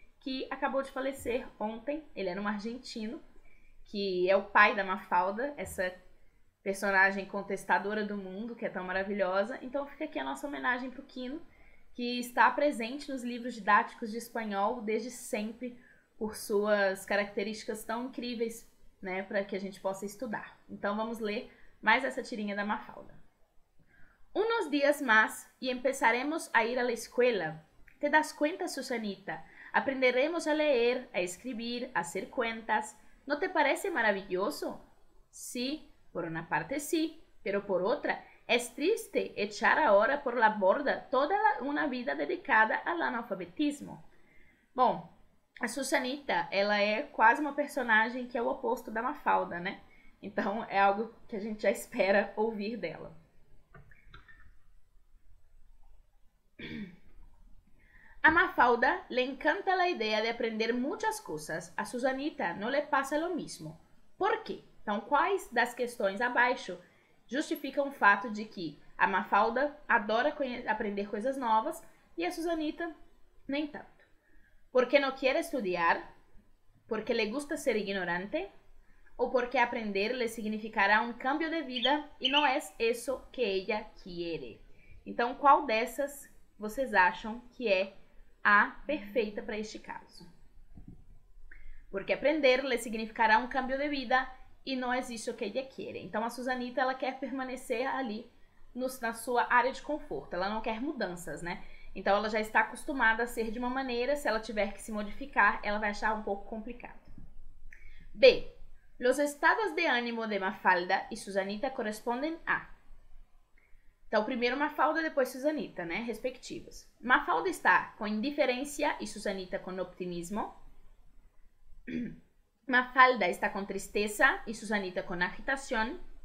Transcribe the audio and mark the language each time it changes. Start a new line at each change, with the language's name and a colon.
Portuguese: que acabou de falecer ontem. Ele era um argentino, que é o pai da Mafalda, essa personagem contestadora do mundo, que é tão maravilhosa. Então fica aqui a nossa homenagem para o Quino, que está presente nos livros didáticos de espanhol desde sempre, por suas características tão incríveis, né, para que a gente possa estudar. Então vamos ler mais essa tirinha da Mafalda.
Spanish: Unos días más y empezaremos a ir a la escuela. ¿Te das cuenta, Susanita? Aprenderemos a leer, a escribir, a hacer cuentas. ¿No te parece maravilloso? Sí, por una parte sí, pero por otra, es triste echar ahora por la borda toda una vida dedicada al analfabetismo.
Portuguese: Bom, a Susanita, ela é quase uma personagem que é o oposto da Mafalda, né? Então é algo que a gente já espera ouvir dela.
Spanish: A Mafalda le encanta la idea de aprender muchas cosas. A Susanita no le pasa lo mismo. ¿Por qué?
Portuguese: Então, quais das questões abaixo justificam o fato de que a Mafalda adora aprender coisas novas e a Susanita nem tanto?
Spanish: ¿Por qué no quiere estudiar? ¿Por qué le gusta ser ignorante? ¿O porque aprender le significará un cambio de vida y no es eso que ella quiere?
Portuguese: Então, qual dessas vocês acham que é a perfeita para este caso? Porque aprender
Spanish: le significará
Portuguese: um cambio de vida e não é isso que
Spanish: ella quiere.
Portuguese: Então a Susanita, ela quer permanecer ali no, na sua área de conforto. Ela não quer mudanças, né? Então ela já está acostumada a ser de uma maneira. Se ela tiver que se modificar, ela vai achar um pouco complicado. B.
Spanish: Los estados de ánimo de Mafalda y Susanita corresponden a.
Portuguese: Então, primeiro Mafalda, depois Susanita, né? Respectivas. Mafalda está com indiferença e Susanita com optimismo. Mafalda está com tristeza e Susanita com agitação.